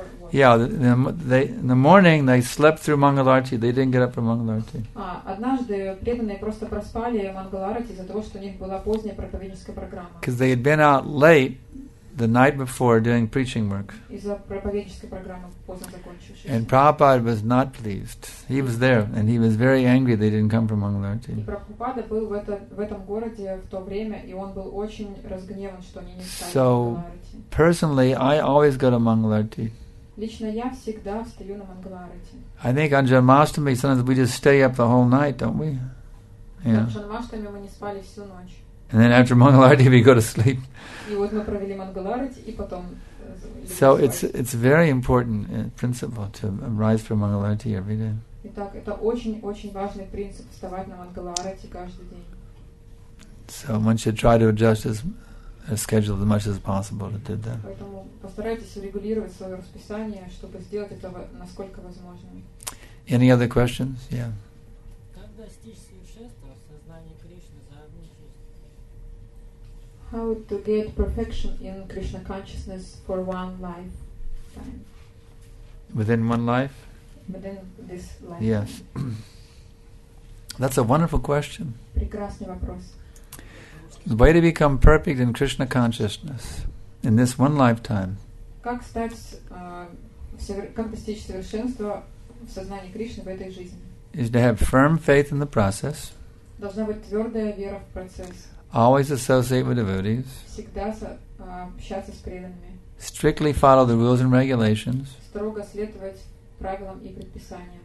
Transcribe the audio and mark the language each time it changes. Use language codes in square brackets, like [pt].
[en] Yeah, in the morning they slept through Mangal Arati. They didn't get up for Mangal Arati. [ru] Однажды преданные просто проспали Мангал Арати из-за того, что у них была поздняя проповедническая программа. [en] Because they had been out late the night before doing preaching work. [ru] Из-за проповедническая программа поздно закончилась. [en] And Prabhupada was not pleased. He was there and he was very angry they didn't come for Mangal Arati. [ru] И Прабхупада был в этом городе в то время, и он был очень разгневан, что они не стали. [en] So personally, I always go to Mangal Arati. [ru] Лично я всегда встаю на Мангал Арати. [en] I think on Janmashtami sometimes we just stay up the whole night, don't we? [ru] Yeah. На Janmashtami мы не спали всю ночь. [en] And then after Mangal Arati we go to sleep. [ru] И вот мы провели Мангал Арати и потом. [en] So it's very important principle to rise for Mangal Arati every day. [ru] Итак, это очень-очень важный принцип вставать на Мангал Арати каждый день. [en] So one should try to adjust his schedule as much as possible to do that. [ru] Поэтому постарайтесь регулировать свое расписание, чтобы сделать это насколько возможно. [en] Any other questions? Yeah. [ru] Как достичь совершенства в сознании Кришны за одну жизнь? [en] How to get perfection in Krishna consciousness for one life time? Within one life? Within this life. Yes. That's a wonderful question. [ru] Прекрасный вопрос. [en] The way to become perfect in Krishna consciousness in this one lifetime. [ru] Как стать, как достичь совершенства в сознании Кришны в этой жизни? [en] Is to have firm faith in the process. [ru] Должна быть твердая вера в процесс. [en] Always associate with devotees. [ru] Всегда общаться с преданными. [en] Strictly follow the rules and regulations. [ru] Строго следовать правилам и предписаниям.